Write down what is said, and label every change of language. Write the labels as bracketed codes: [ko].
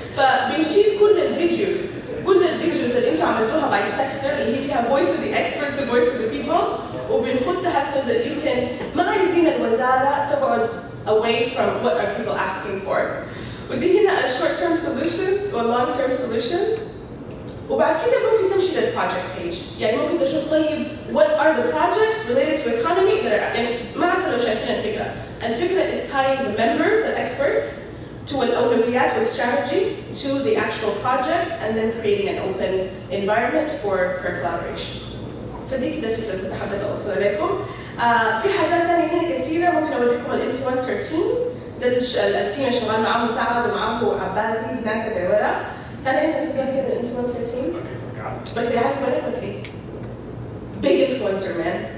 [en] But [ar] بنشيل كل الفيديوز. كل الفيديوز اللي انتم عملتوها [en] by sector [ar] اللي هي فيها [en] voice of the experts and voice of the people, وبنحطها so that you can, [ar] ما عايزين الوزارة تقعد [en] away from what are people asking for. [ar] ودي هنا [en] short term solutions or long term solutions. [ar] وبعد كده ممكن تمشي لل project page. يعني ممكن تشوف طيب [en] what are the projects related to economy that are, [ar] يعني ما اعرف لو شايفين الفكرة. الفكرة [en] is tying the members and experts to al-awlawiyat with strategy, to the actual projects, and then creating an open environment for collaboration. [ar] فدي كده في اللي كنت حابه اوصل لكم. في حاجات ثانيه هنا كثيره ممكن اوريكم الانفلونسر تيم ده التيم اللي شغال معاهم سعد ومعاهم عبادي هناك اللي ورا. ثاني انت بتقدر من الانفلونسر تيم؟ بس بيعرف ولا اوكي. [en] Big influencer man.